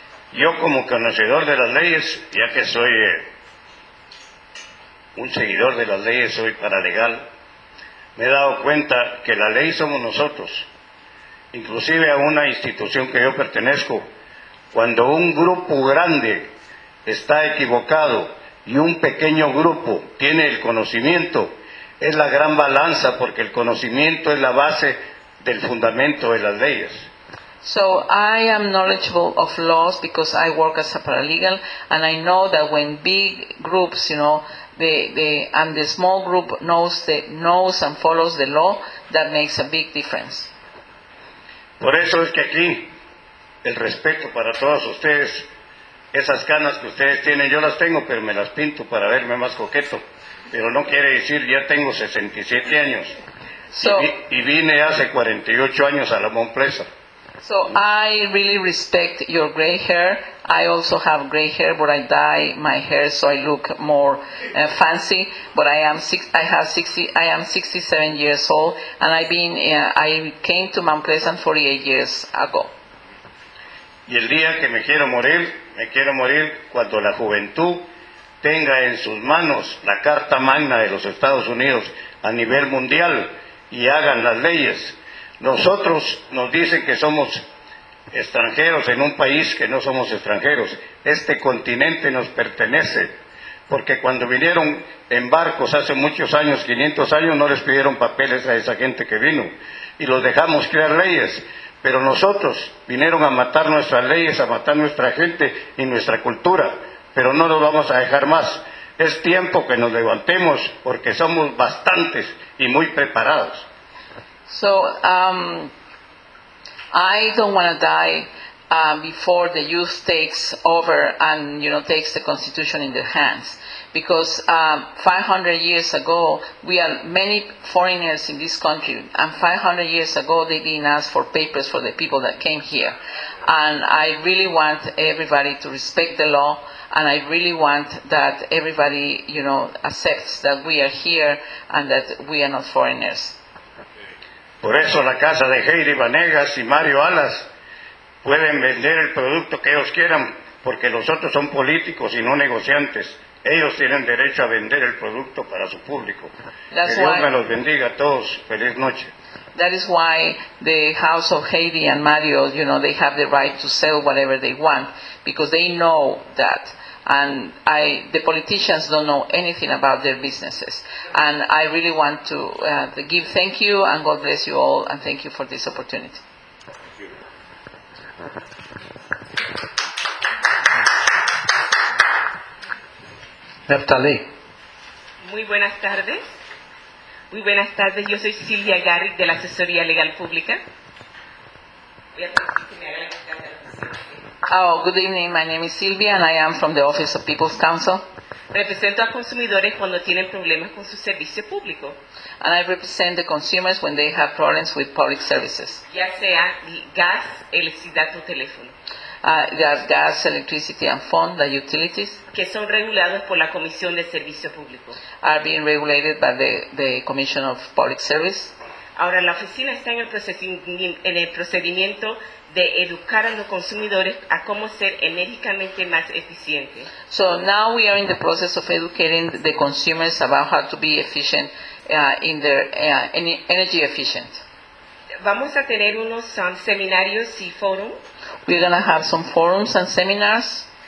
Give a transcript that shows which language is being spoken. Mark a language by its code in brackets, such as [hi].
[es] Yo como conocedor de las leyes, ya que soy un seguidor de las leyes, soy paralegal, me he dado cuenta que la ley somos nosotros. Inclusive a una institución que yo pertenezco, Cuando un grupo grande está equivocado y un pequeño grupo tiene el conocimiento, es la gran balanza, porque el conocimiento es la base del fundamento de las leyes. [en] So I am knowledgeable of laws because I work as a paralegal, and I know that when big groups, you know, and the small group knows and follows the law, that makes a big difference. [es] Por eso es que aquí el respeto para todos ustedes, esas canas que ustedes tienen, yo las tengo, pero me las pinto para verme más coqueto. Pero no quiere decir, ya tengo 67 años. [en] So, [es] y vine hace 48 años a la Monplaza. [en] So I really respect your gray hair. I also have gray hair, but I dye my hair so I look more fancy. But I am 67 years old, and I came to Mount Pleasant 48 years ago. [es] Y el día que me quiero morir cuando la juventud tenga en sus manos la Carta Magna de los Estados Unidos a nivel mundial y hagan las leyes. Nosotros nos dicen que somos extranjeros en un país que no somos extranjeros. Este continente nos pertenece, porque cuando vinieron en barcos hace muchos años, 500 años, no les pidieron papeles a esa gente que vino, y los dejamos crear leyes. Pero nosotros vinieron a matar nuestras leyes, a matar nuestra gente y nuestra cultura, pero no los vamos a dejar más. Es tiempo que nos levantemos, porque somos bastantes y muy preparados. [en] So, I don't want to die before the youth takes over and, you know, takes the Constitution in their hands. Because 500 years ago, we are many foreigners in this country, and 500 years ago, they didn't ask for papers for the people that came here. And I really want everybody to respect the law, and I really want that everybody, you know, accepts that we are here and that we are not foreigners. [es] Por eso la casa de Heidi Vanegas y Mario Alas pueden vender el producto que ellos quieran, porque los otros son políticos y no negociantes. Ellos tienen derecho a vender el producto para su público. [en] That's [es] que Dios me los bendiga a todos. Feliz noche. [en] That is why the house of Heidi and Mario, you know, they have the right to sell whatever they want, because they know that. And the politicians don't know anything about their businesses. And I really want to give thank you, and God bless you all, and thank you for this opportunity. Neftali. [es] Muy buenas tardes. Muy buenas tardes. Yo soy Silvia Garrick, de la Asesoría Legal Pública. Voy a pedir que me haga la pregunta. [en] Oh, good evening. My name is Silvia, and I am from the Office of People's Counsel. [es] Represento a consumidores cuando tienen problemas con su servicio público. [en] And I represent the consumers when they have problems with public services. [es] Ya sea gas, electricidad o teléfono. [en] That's gas, electricity, and phone, the utilities. [es] Que son regulados por la Comisión de Servicio Público. [en] Are being regulated by the Commission of Public Service. [es] Ahora la oficina está en el procedimiento de educar a los consumidores a cómo ser enérgicamente más eficientes. [en] So now we are in the process of educating the consumers about how to be efficient in their energy efficient. [es] Vamos a tener unos seminarios y forums. [en] We're going to have some forums and seminars.